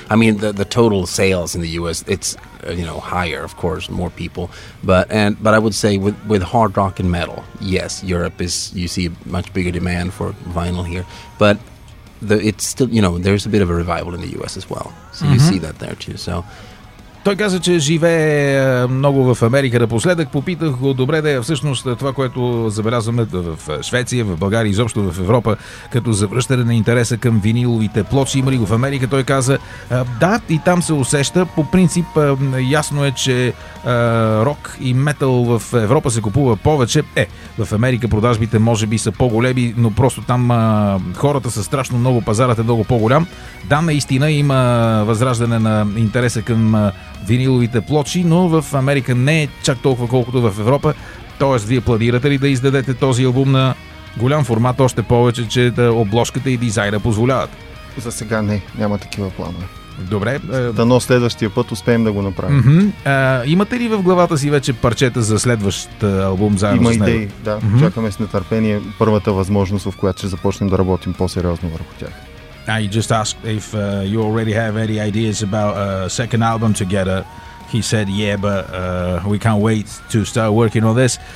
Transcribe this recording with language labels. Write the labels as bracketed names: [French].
[English] I mean, the total sales in the US, it's higher, of course, more people. But I would say with hard rock and metal, yes, Europe is, you see a much bigger demand for vinyl here. But it's still, there's a bit of a revival in the US as well. So you see that there too. So [Bulgarian] той каза, че живее много в Америка. Напоследък попитах го, добре да е всъщност това, което забелязваме в Швеция, в България, изобщо в Европа, като завръщане на интереса към виниловите плочи. Има ли го в Америка? Той каза, да, и там се усеща. По принцип, ясно е, че рок и метал в Европа се купува повече. В Америка продажбите може би са по-големи, но просто там хората са страшно много, пазарът е много по-голям. Да, наистина има възраждане на интереса към виниловите плочи, но в Америка не е чак толкова колкото в Европа. Тоест, вие планирате ли да издадете този албум на голям формат, още повече, че да обложката и дизайна позволяват? За сега не, няма такива планове. Добре. Дано следващия път успеем да го направим. Имате ли в главата си вече парчета за следващ албум заедно с него? Има идеи, да. Чакаме с нетърпение първата възможност, в която ще започнем да работим по-сериозно върху тях. [English] I just asked if you already have any ideas about a second album together. He said, yeah, but we can't wait to start working on this.